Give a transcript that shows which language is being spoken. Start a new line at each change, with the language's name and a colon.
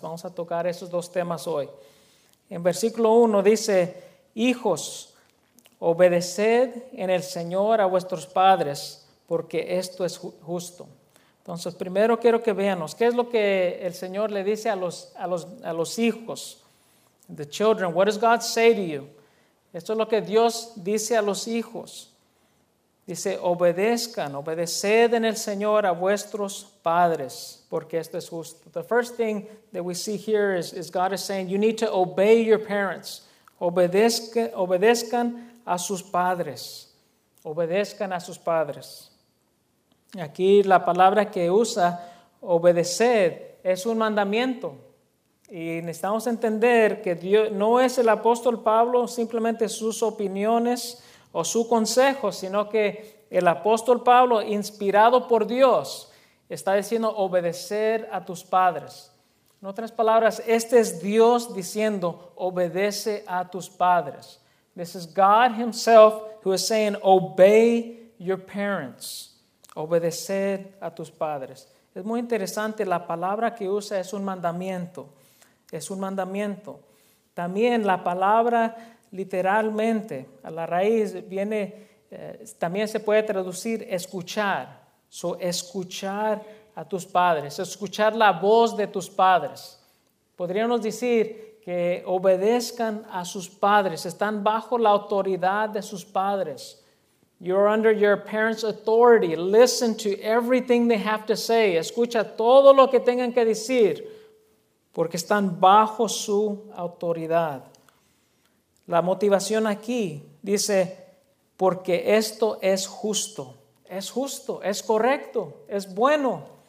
Spanish: Vamos a tocar esos dos temas hoy. En versículo 1 dice: hijos, obedeced en el Señor a vuestros padres, porque esto es justo. Entonces, primero quiero que veamos qué es lo que el Señor le dice a los hijos.
English: The children, what does God say to you?
Spanish: Esto es lo que Dios dice a los hijos. Dice: obedezcan, obedeced en el Señor a vuestros padres, porque esto es justo.
English: The first thing that we see here is God is saying, you need to obey your parents.
Spanish: Obedezcan a sus padres. Obedezcan a sus padres. Aquí la palabra que usa, obedeced, es un mandamiento. Y necesitamos entender que Dios no es el apóstol Pablo, simplemente sus opiniones o su consejo, sino que el apóstol Pablo, inspirado por Dios, está diciendo obedecer a tus padres. En otras palabras, este es Dios diciendo obedece a tus padres.
English: This is God himself who is saying obey your parents.
Spanish: Obedecer a tus padres. Es muy interesante, la palabra que usa es un mandamiento. Es un mandamiento. También la palabra literalmente, a la raíz viene, también se puede traducir escuchar. So, escuchar a tus padres, escuchar la voz de tus padres. Podríamos decir que obedezcan a sus padres, están bajo la autoridad de sus padres.
English: You're under your parents' authority. Listen to everything they have to say.
Spanish: Escucha todo lo que tengan que decir, porque están bajo su autoridad. La motivación aquí dice, porque esto es justo. Es justo, es correcto, es bueno.